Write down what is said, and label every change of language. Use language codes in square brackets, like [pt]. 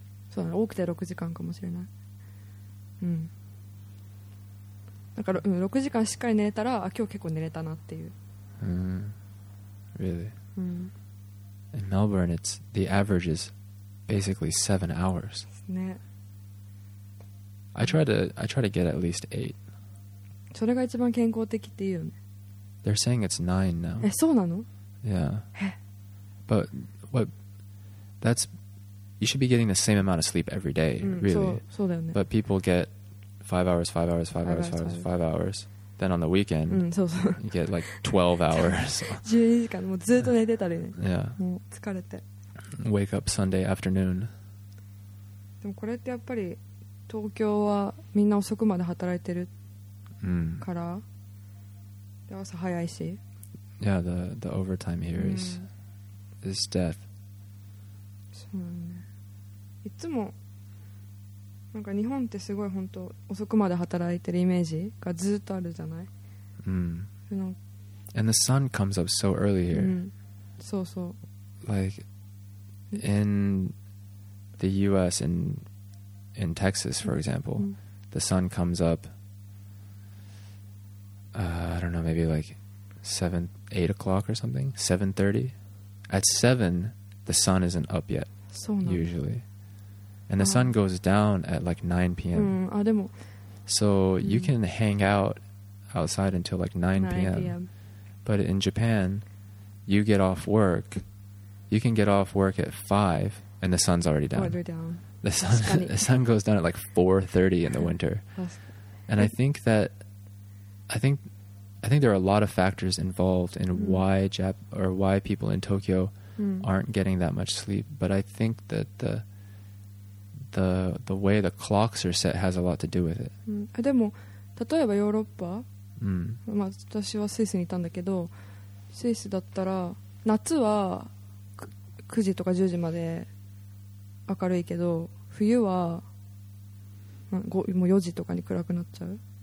[ja] そうだね、多くて6時間かもしれない。うん。だから、うん、6時間しっかり寝れたら今日結構寝れたなっていう、 [en] Really? Mm. In Melbourne, it's, the average is basically 7 hours. I try to get at least 8. [ja] それが一番健康的っていうの? [en] They're saying it's 9 now. [ja] え、そうなの? [en] Yeah. But what, that's, you should be getting the same amount of sleep every day, really. [ja] そうだよね。 [en] But people get 5 hours. Then on the weekend, you get like 12 hours. [ja] 12時間もうずっと寝てたりね。 [en] Yeah. [ja] もう疲れて。 [en] Wake up Sunday afternoon. [ja] でもこれってやっぱり東京はみんな遅くまで働いてるから、で朝早いし。 [en] Yeah, the overtime here is death. [ja] そうなんだ。いつも。なんか日本ってすごい本当遅くまで働いてるイメージがずっとあるじゃない。うん。 [en] And the sun comes up so early here. [ja] そうそう。 [en] Like in the U.S. in Texas, for example, the sun comes up. I don't know, maybe like 7-8 o'clock or something. 7:30. At 7, the sun isn't up yet. [ja] そうなの。 [en] Usually. And the sun goes down at like 9 p.m. So you can hang out outside until like 9 p.m. But in Japan, you get off work. You can get off work at 5 and the sun's already down. The sun goes down at like 4:30 in the winter. And I think there are a lot of factors involved in why people in Tokyo aren't getting that much sleep. But I think that the way the clocks are set has a lot to do with it. [ja] でも例えばヨーロッパ、まあ私はスイスにいたんだけど、スイスだったら夏は9時とか10時まで明るいけど、冬はもう4時とかに暗くなっちゃう。